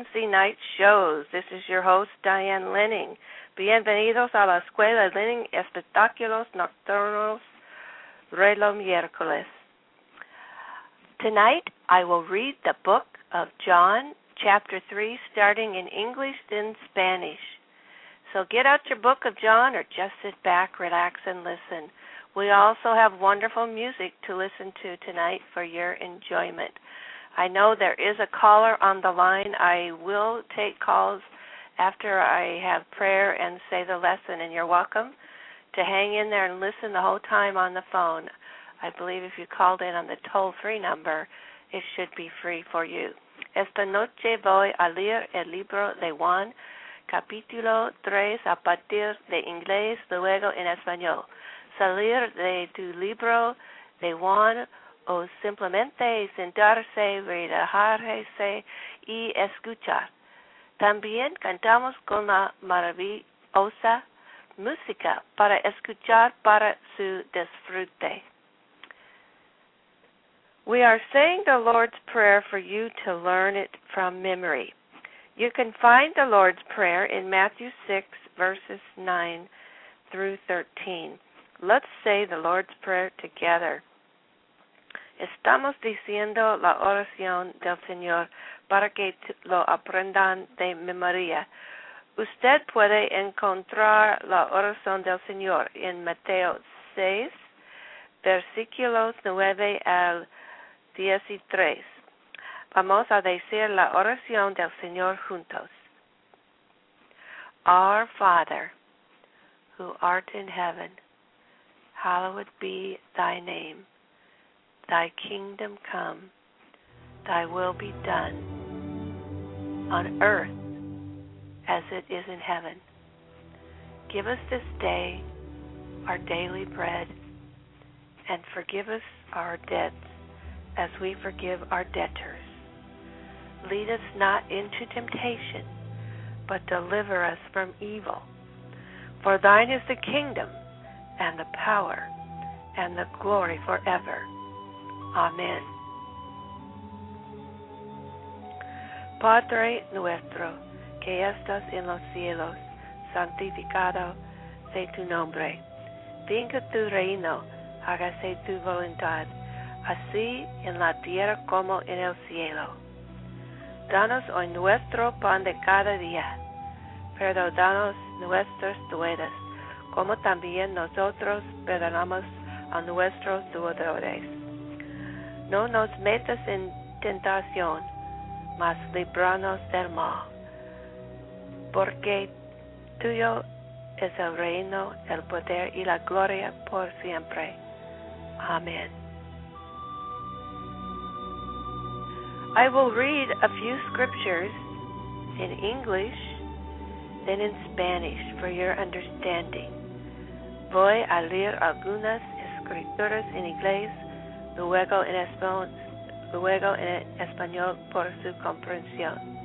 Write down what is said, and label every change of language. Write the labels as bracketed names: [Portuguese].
[English] Night shows. This is your host, Diane Lenning. [Spanish] Bienvenidos a la Escuela Lenning Espectáculos Nocturnos Relo Miércoles. [English] Tonight, I will read the book of John, chapter 3, starting in English, then Spanish. So get out your book of John or just sit back, relax, and listen. We also have wonderful music to listen to tonight for your enjoyment. I know there is a caller on the line. I will take calls after I have prayer and say the lesson, and you're welcome to hang in there and listen the whole time on the phone. I believe if you called in on the toll-free number, it should be free for you. [Spanish] Esta noche voy a leer el libro de Juan, capítulo 3, a partir de inglés, luego en español. Salir de tu libro de Juan, o simplemente sentarse, relajarse y escuchar. También cantamos con la maravillosa música para escuchar para su disfrute. [English] We are saying the Lord's Prayer for you to learn it from memory. You can find the Lord's Prayer in Matthew 6, verses 9 through 13. Let's say the Lord's Prayer together. [Spanish] Estamos diciendo la oración del Señor para que lo aprendan de memoria. Usted puede encontrar la oración del Señor en Mateo 6, versículos 9 al 13. Vamos a decir la oración del Señor juntos. [English] Our Father, who art in heaven, hallowed be thy name. Thy kingdom come, thy will be done, on earth as it is in heaven. Give us this day our daily bread, and forgive us our debts as we forgive our debtors. Lead us not into temptation, but deliver us from evil. For thine is the kingdom, and the power, and the glory forever. Amen. [Spanish] Padre nuestro, que estás en los cielos, santificado sea tu nombre. Venga tu reino, hágase tu voluntad, así en la tierra como en el cielo. Danos hoy nuestro pan de cada día. Perdónanos nuestras deudas, como también nosotros perdonamos a nuestros deudores. No nos metas en tentación, mas líbranos del mal. Porque tuyo es el reino, el poder y la gloria por siempre. Amen. [English] I will read a few scriptures in English, then in Spanish for your understanding. [Spanish] Voy a leer algunas escrituras en inglés, luego en español por su comprensión.